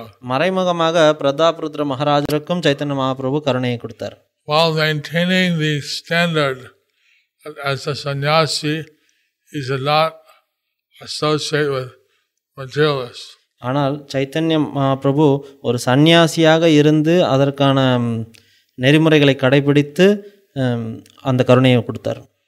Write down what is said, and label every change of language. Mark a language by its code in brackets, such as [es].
[ta] மறைமுகமாக பிரதாபருத்ர மகாராஜருக்கும் சைத்தன்ய மகாபிரபு கருணையை கொடுத்தார். [en] While maintaining the standard as a sannyasi, he should not associate with materialists. [ta] ஆனால் சைத்தன்யம் மகாபிரபு ஒரு சந்நியாசியாக இருந்து அதற்கான நெறிமுறைகளை கடைபிடித்து அந்த கருணையை கொடுத்தார்.